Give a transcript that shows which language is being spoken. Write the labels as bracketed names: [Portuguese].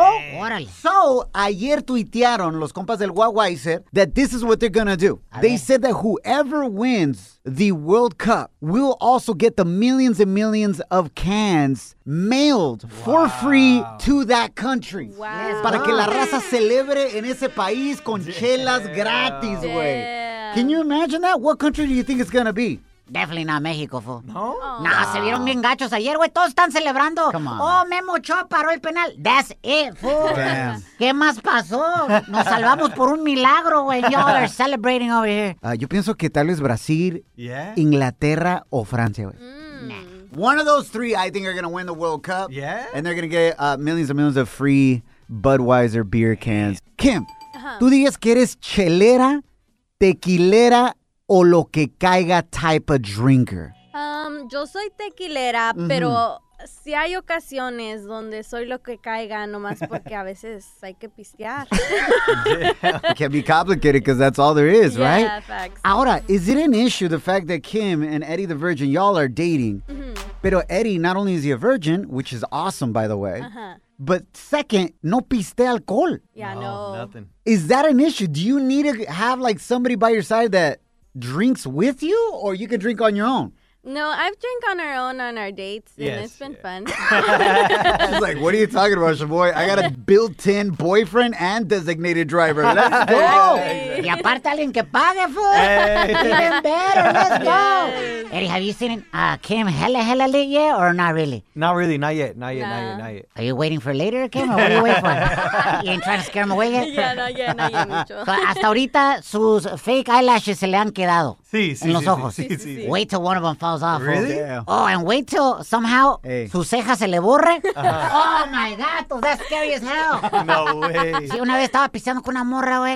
[Spanish] Órale. [English] So, [Spanish] ayer tuitearon los compas del [English] Wawiser that this is what they're gonna do. They said that whoever wins the World Cup will also get the millions and millions of cans mailed for free to that country. Wow. Yes, [Spanish] para que la raza celebre en ese país con chelas gratis, güey. [English] Can you imagine that? What country do you think it's going to be? Definitely not Mexico, fool. No? [Spanish] Nah, se vieron bien gachos ayer, güey. Todos están celebrando. [English] Come on. Oh, Memo Ochoa [Spanish] paró el penal. [English] That's it, fool. Damn. [Spanish] ¿Qué más pasó? Nos salvamos por un milagro, güey. [English] Y'all are celebrating over here. [Spanish] Yo pienso que tal vez Brasil, Inglaterra o Francia, güey. [English] Nah. One of those three, I think, are going to win the World Cup. Yeah? And they're going to get millions and millions of free Budweiser beer cans. [Spanish] Kim, tú dices que eres chelera, tequilera, o lo que caiga [English] type of drinker. [Spanish] Yo soy tequilera, pero si hay ocasiones donde soy lo que caiga, nomás porque a veces hay que pistear. [English] It can be complicated because that's all there is, right? Yeah, facts. Ahora, is it an issue the fact that Kim and Eddie the Virgin, y'all are dating? Pero Eddie, not only is he a virgin, which is awesome, by the way, but second, [Spanish] no piste [English] alcohol. Yeah, no. Nothing. Is that an issue? Do you need to have like somebody by your side that drinks with you, or you can drink on your own? No, I've drank on our own on our dates, and it's been fun. She's like, what are you talking about, Shavoy? I got a built-in boyfriend and designated driver. Let's go! [Spanish] Y aparte alguien que pague, fool! [English] Even better, let's go! Eddie, have you seen Kim hella late yet, or not really? Not really, not yet. Are you waiting for later, Kim, or what are you waiting for? You ain't trying to scare him away yet? Yeah, not yet, mucho. [Spanish] So hasta ahorita, sus [English] fake eyelashes [Spanish] se le han quedado. Sí, en los ojos. Sí. [English] Wait till one of them falls off. Really? Oh, and wait till somehow [Spanish] su ceja se le borre. [English] Uh-huh. Oh, my gato, that's scary as hell. No way. [Spanish] Sí, una vez estaba pisando con una morra, güey.